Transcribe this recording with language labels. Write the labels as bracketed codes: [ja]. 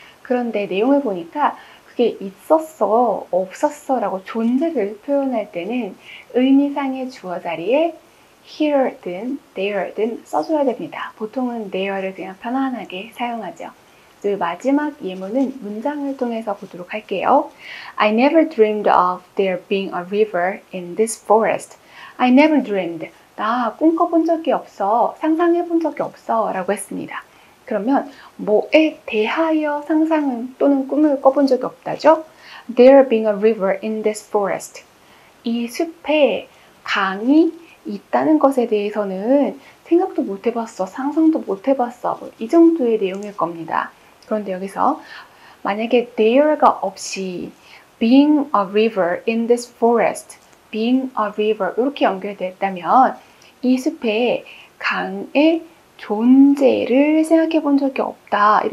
[ko] 그런데 내용을 보니까 그게 있었어, 없었어 라고 존재를 표현할 때는 의미상의 주어 자리에 here든 there든 써줘야 됩니다. 보통은 there를 그냥 편안하게 사용하죠. 마지막 예문은 문장을 통해서 보도록 할게요. [en] I never dreamed of there being a river in this forest. I never dreamed. [ko] 나 꿈꿔본 적이 없어. 상상해본 적이 없어. 라고 했습니다. 그러면 뭐에 대하여 상상은 또는 꿈을 꿔본 적이 없다죠? [en] There being a river in this forest. [ko] 이 숲에 강이 있다는 것에 대해서는 생각도 못 해봤어. 상상도 못 해봤어. 뭐이 정도의 내용일 겁니다. 그런데 여기서 만약에 there가 없이 [en] being a river in this forest, being a river [ko] 이렇게 연결됐다면 이 숲에 강의 존재를 생각해 본 적이 없다.